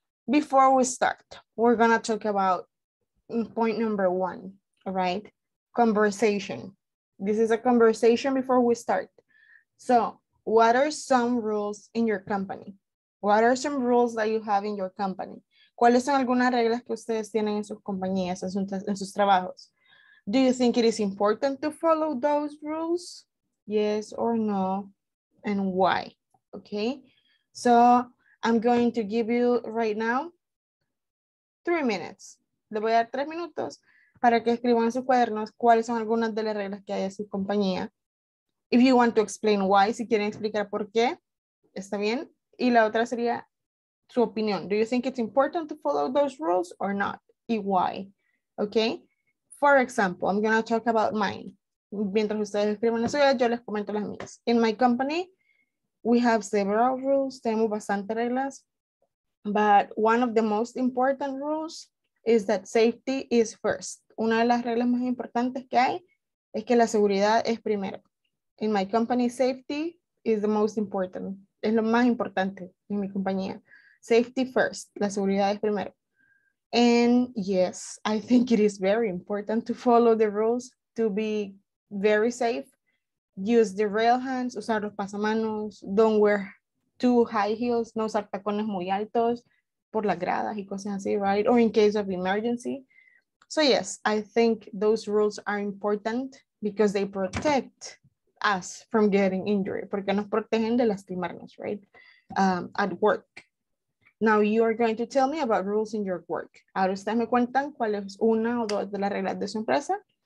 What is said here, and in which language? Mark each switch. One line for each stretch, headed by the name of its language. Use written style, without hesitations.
English: Before we start, we're gonna talk about point number 1, all right? Conversation. This is a conversation before we start. So, what are some rules in your company? What are some rules that you have in your company?
Spanish: ¿Cuáles son algunas reglas que ustedes tienen en sus compañías, en sus trabajos?
English: Do you think it is important to follow those rules? Yes or no? And why? Okay. So, I'm going to give you right now 3 minutes.
Spanish: Le voy a dar 3 minutos para que escriban sus cuadernos cuáles son algunas de las reglas que hay en su compañía.
English: If you want to explain why,
Spanish: si quieren explicar por qué, está bien. Y la otra sería su opinión.
English: Do you think it's important to follow those rules or not? Y why? Okay. For example, I'm going to talk about mine.
Spanish: Mientras ustedes escriban eso, yo les comento las mías.
English: In my company, we have several rules.
Spanish: Tenemos bastantes reglas.
English: But one of the most important rules is that safety is first.
Spanish: Una de las reglas más importantes que hay es que la seguridad es primero.
English: In my company, safety is the most important.
Spanish: Es lo más importante en mi compañía.
English: Safety first.
Spanish: La seguridad es primero.
English: And yes, I think it is very important to follow the rules to be very safe. Use the rail hands,
Spanish: usar los pasamanos.
English: Don't wear too high heels.
Spanish: No usar tacones muy altos por las gradas y cosas así, right?
English: Or in case of emergency. So yes, I think those rules are important because they protect us from getting injured.
Spanish: Porque nos protegen de lastimarnos, right?
English: At work. Now you are going to tell me about rules in your work.
Spanish: Ahora ustedes me cuentan cuál es una o dos de las reglas de su empresa.